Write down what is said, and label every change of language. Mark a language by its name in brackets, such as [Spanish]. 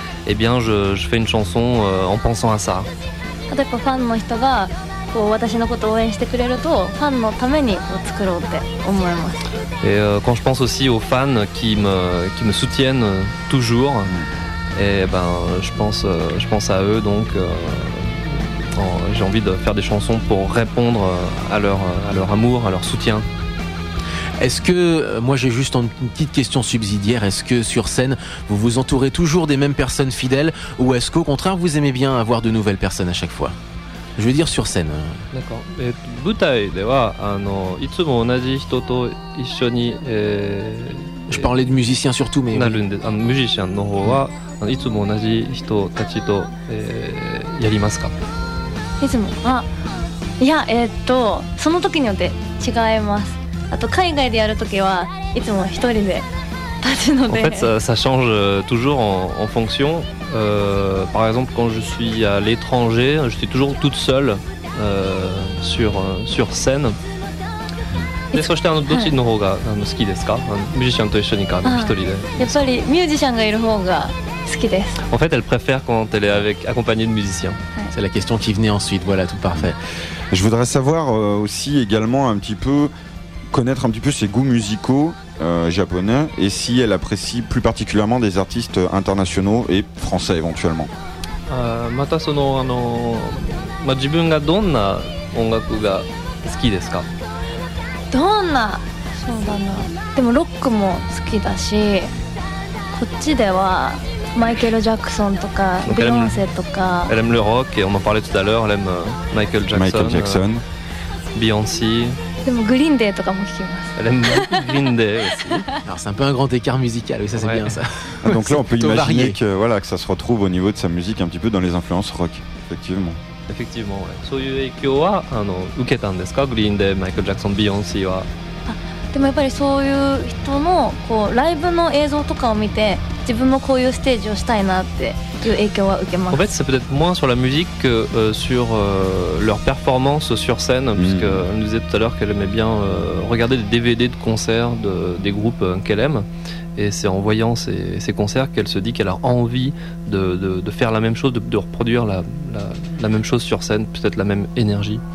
[French] Eh bien, je fais une chanson en pensant à ça. Et quand je pense aussi aux fans qui me soutiennent toujours, et ben, je pense à eux, donc j'ai envie de faire des chansons pour répondre à leur amour, à leur soutien. Est-ce que, moi j'ai juste une petite question subsidiaire, est-ce que sur scène vous vous entourez toujours des mêmes personnes fidèles ou est-ce qu'au contraire vous aimez bien avoir de nouvelles personnes à chaque fois? Je veux dire sur scène. D'accord. [Japanese] Et 舞台ではいつも同じ人と一緒に [French] Je parlais de musiciens surtout, mais [Japanese] musiciens の方はいつも同じ人たちとやりますか？いつも、あ、いや、その時によって違います。 [French] En fait, ça change toujours en fonction. Par exemple, quand je suis à l'étranger, je suis toujours toute seule sur scène. [Japanese] Et そしてあのどっちの方が好きですか？ミュージシャンと一緒にか、一人で。やっぱりミュージシャンがいる方が好きです。 [French] En fait, elle préfère quand elle est accompagnée de musiciens. C'est la question qui venait ensuite. Voilà, tout parfait. Je voudrais savoir aussi également un petit peu. Connaître un petit peu ses goûts musicaux japonais et si elle apprécie plus particulièrement des artistes internationaux et français éventuellement. [Japanese] またそのあの、まあ、自分がどんな音楽が好きですか？どんな、そうだな。でもロックも好きだし、こっちではマイケル・ジャクソンとかビヨンセとか。 [French] Elle aime le rock et on en parlait tout à l'heure. Elle aime Michael Jackson, Beyoncé. Elle aime Green Day aussi. Alors c'est un peu un grand écart musical, oui, ça c'est bien ça. Ah, donc là on peut imaginer que, voilà, que ça se retrouve au niveau de sa musique un petit peu dans les influences rock, effectivement. Effectivement, oui. [Japanese] そういう影響は受けたんですか? Green Day, Michael Jackson, Beyoncé は。でもやっぱりそういう人のこうライブの映像とかを見て自分もこういうステージをしたいなっていう影響は受けます。 [French] En fait, c'est peut-être moins sur la musique que sur leur performance sur scène, puisque elle nous disait tout à l'heure qu'elle aimait bien regarder des DVD de concerts des groupes qu'elle aime. Et c'est en voyant ses concerts qu'elle se dit qu'elle a envie de faire la même chose, de reproduire la même chose sur scène, peut-être la même énergie.